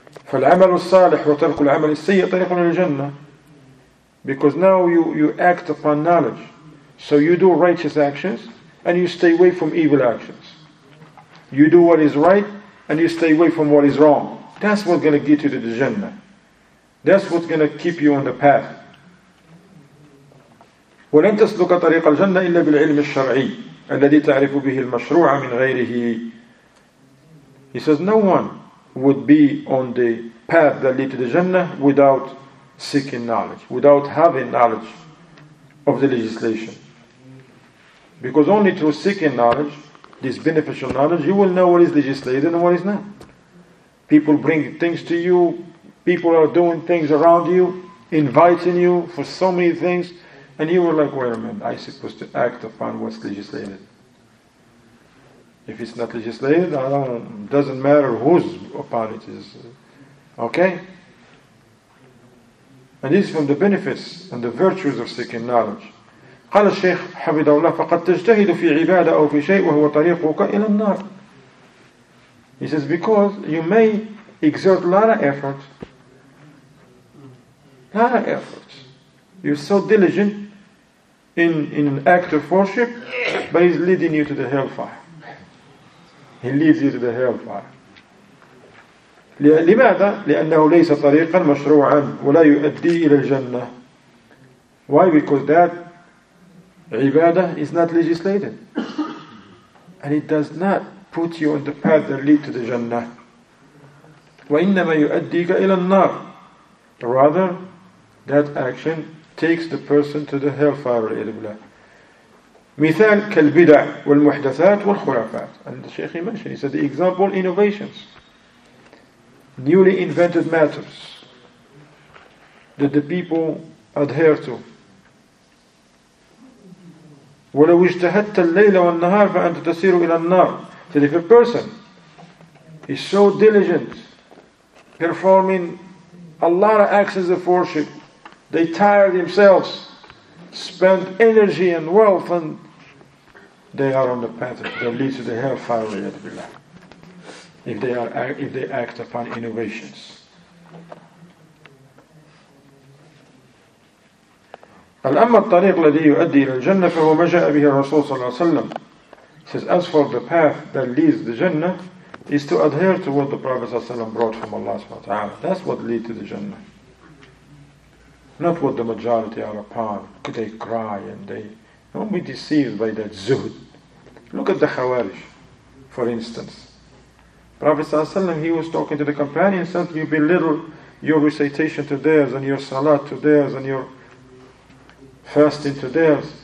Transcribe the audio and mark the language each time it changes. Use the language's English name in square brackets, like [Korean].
[Arabic] فالعمل الصالح وترك العمل السيء طريق إلى الجنة. [English] Because now you act upon knowledge. So you do righteous actions and you stay away from evil actions. You do what is right and you stay away from what is wrong. That's what's going to get you to the Jannah. That's what's going to keep you on the path. [Arabic] ولن تسلك طريق الجنة إلا بالعلم الشرعي الذي تعرف به المشروع من غيره. [English] He says, no one would be on the path that leads to the Jannah without seeking knowledge, without having knowledge of the legislation. Because only through seeking knowledge, this beneficial knowledge, you will know what is legislated and what is not. People bring things to you, people are doing things around you, inviting you for so many things, and you were like, wait a minute, I'm supposed to act upon what's legislated. If it's not legislated, doesn't matter whose upon it is. Okay? And this is from the benefits and the virtues of seeking knowledge. [Arabic] قال الشيخ حفظه الله فقد تجتهد في عبادة أو في شيء وهو طريقك إلى النار. [English] He says, because you may exert a lot of effort. A lot of effort. You're so diligent in an act of worship, but it's leading you to the hellfire. He leads you to the hellfire. [Arabic] لماذا؟ لأنه ليس طريقا مشروعا ولا يؤدي إلى الجنة. [English] Why? Because that عبادة is not legislated. And it does not put you on the path that lead to the Jannah. [Arabic] وَإِنَّمَا يُؤَدِّيكَ إِلَى النَّارِ. [English] Rather, that action takes the person to the hellfire, [Arabic] وَالْعِيَذُ بِاللَّهِ. مِثَال كَالْبِدَعْ وَالْمُحْدَثَاتِ وَالْخُرَافَاتِ. [English] And the Shaykh mentioned, he said, the example, innovations. Newly invented matters that the people adhere to. [Arabic] وَلَوْ اجْتَهَدْتَ اللَّيْلَ وَالنَّهَارِ فَأَنْتَ تَسِيرُ إِلَى النَّارِ. [English] That if a person is so diligent, performing a lot of acts of worship, they tire themselves, spend energy and wealth, and they are on the path that leads to the hellfire, [Arabic] وَالْعِيَذُ بِاللَّهِ. [English] If they act upon innovations. [Arabic] الأما الطريق الذي يؤدي إلى الجنة فهو ما جاء به الرسول صلى الله عليه وسلم. [English] Says, as for the path that leads the Jannah, is to adhere to what the Prophet [Arabic] صلى الله عليه وسلم [English] brought from Allah subhanahu wa ta'ala. That's what leads to the Jannah. Not what the majority are upon. They cry and they don't be deceived by that zuhud. Look at the Khawarij, for instance. Prophet [Arabic] صلى الله عليه وسلم, [English] he was talking to the companions, said, you belittle your recitation to theirs and your salat to theirs and your fasting to theirs.